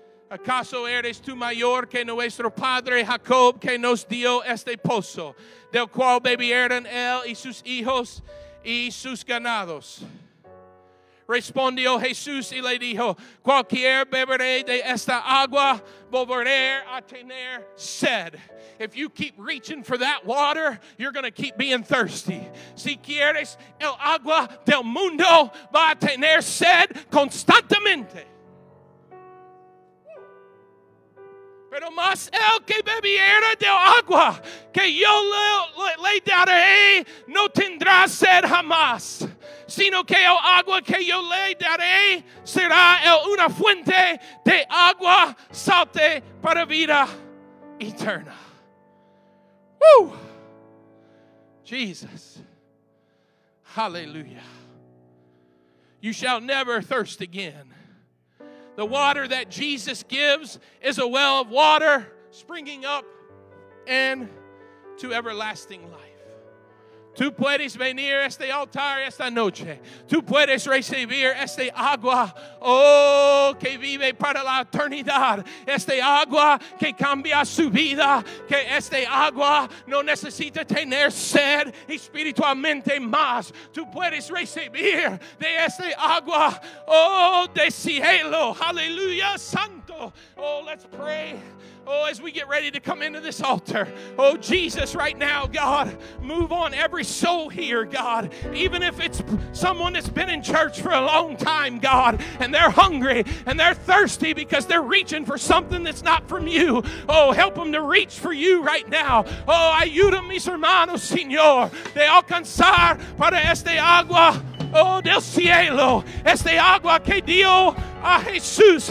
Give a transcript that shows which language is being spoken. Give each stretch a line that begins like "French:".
Spanish: ¿Acaso eres tú mayor que nuestro padre Jacob que nos dio este pozo, del cual bebieron él y sus hijos y sus ganados? Respondió Jesús y le dijo, cualquier beberé de esta agua, volveré a tener sed.
English: If you keep reaching for that water, you're going to keep being thirsty.
Spanish: Si quieres el agua del mundo, va a tener sed constantemente. Pero más el que bebiera del agua, que yo le daré, no tendrá sed jamás. Sino que el agua que yo le daré será una fuente de agua salte para vida eterna. Woo! Jesus. Hallelujah.
English: You shall never thirst again. The water that Jesus gives is a well of water springing up into everlasting life.
Spanish: Tú puedes venir a este altar esta noche. Tú puedes recibir este agua, oh, que vive para la eternidad. Este agua que cambia su vida. Que este agua no necesita tener sed espiritualmente más. Tú puedes recibir de este agua, oh, de cielo. Aleluya, santo.
English: Oh, let's pray. Oh, as we get ready to come into this altar. Oh, Jesus, right now, God, move on every soul here, God. Even if it's someone that's been in church for a long time, God, and they're hungry and they're thirsty because they're reaching for something that's not from you. Oh, help them to reach for you right now.
Spanish: Oh, ayuda mis hermanos, Señor, de alcanzar para este agua, oh, del cielo, este agua que dio a Jesús.